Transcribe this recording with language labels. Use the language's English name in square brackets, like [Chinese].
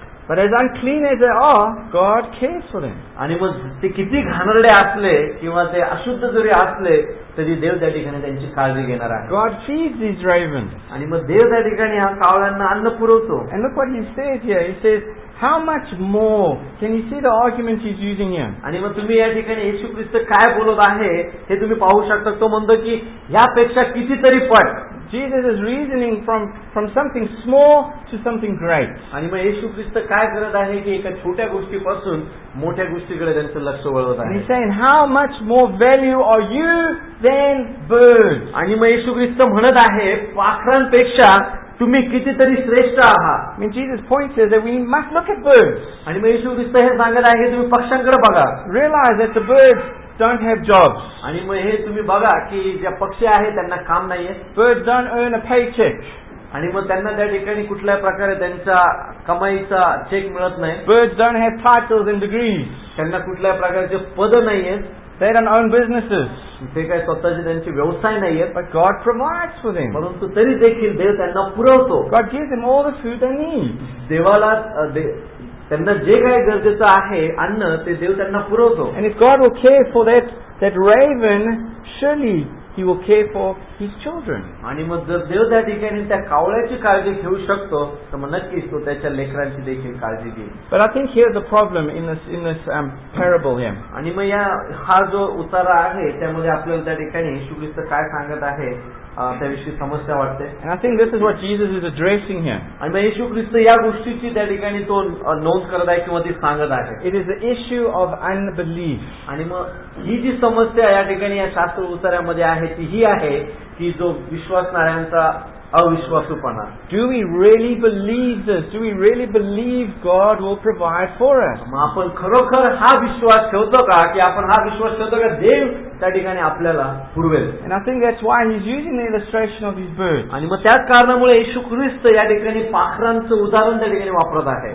[English] But as unclean as they are, God cares for them. [Marathi] आणि मग ते किती घाणेरडे असले किंवा ते अशुद्ध जरी असले तरी देव त्या ठिकाणी त्यांची काळजी घेणार आहे. [English] God feeds these ravens. [Marathi] आणि मग देव त्या ठिकाणी हा कावळ्यांना अन्न पुरवतो. [English] And look what he says here. He says, how much more? Can you see the argument he's using here? [Marathi] आणि मग तुम्ही या ठिकाणी येशू ख्रिस्त काय बोलत आहे हे तुम्ही पाहू शकता. तो म्हणतो की यापेक्षा कितीतरी पट. [English] Jesus is reasoning from something small to something great. [Marathi] आणि मग येशू ख्रिस्त काय करत आहे की एका छोट्या गोष्टीपासून मोठ्या गोष्टीकडे त्यांचं लक्ष वळवत आहे. [English] He's saying, how much more value are you than birds? [Marathi] आणि मग येशू ख्रिस्त म्हणत आहे पाखरांपेक्षा तुम्ही कितीतरी श्रेष्ठ आहात. [English] I mean, Jesus points says that we must look at birds. [Marathi] आणि मग येशू ख्रिस्त हे सांगत आहे तुम्ही पक्ष्यांकडे बघा. [English] Realize that the birds don't have jobs. [Marathi] आणि मग हे तुम्ही बघा की ज्या पक्षी आहे त्यांना काम नाहीये. [English] Birds don't earn a paycheck. [Marathi] आणि मग त्यांना त्या ठिकाणी कुठल्याही प्रकारे त्यांचा कमाईचा चेक मिळत नाही. [English] Birds don't have titles and degrees. [Marathi] त्यांना कुठल्याही प्रकारचे पद नाहीयेत. [English] They don't own businesses. [Marathi] ते काही स्वतःचे त्यांचे व्यवसाय नाहीयेत. [English] But God provides for them. [Marathi] परंतु तरी देखील देव त्यांना पुरवतो. [English] God gives them all the food they need. [Marathi] देवाला त्यांना जे काही गरजेचं आहे अन्न ते देव त्यांना पुरवतो. [English] And if God will care for that raven, surely He will care for His children. [Marathi] आणि मग जर देव त्या ठिकाणी त्या कावळ्याची काळजी घेऊ शकतो तर मग नक्कीच तो त्याच्या लेकरांची देखील काळजी घेईल. [English] But I think here the problem in this parable here. [Marathi] आणि मग या हा जो उतार आहे त्यामध्ये आपल्याला त्या ठिकाणी येशू ख्रिस्त काय सांगत आहे त्याविषयी समस्या वाटते. [English] And I think this is what Jesus is addressing here. [Marathi] आणि मग येशू ख्रिस्त या गोष्टीची त्या ठिकाणी तो नोंद करत आहे किंवा ती सांगत आहे. [English] It is the issue of unbelief. [Marathi] आणि मग ही जी समस्या या ठिकाणी या शास्त्र उतारामध्ये आहे ती ही आहे की जो विश्वासणाऱ्यांचा अविश्वासूपणा. [English] Do we really believe this? Do we really believe God will provide for us? [Marathi] मग आपण खरोखर हा विश्वास ठेवतो का की आपण हा विश्वास ठेवतो का देव त्या ठिकाणी आपल्याला पुरवेल? [English] And I think that's why he's using the illustration of his birds. [Marathi] आणि मग त्याच कारणामुळे येशू ख्रिस्त या ठिकाणी पाखरांचं उदाहरण त्या ठिकाणी वापरत आहे.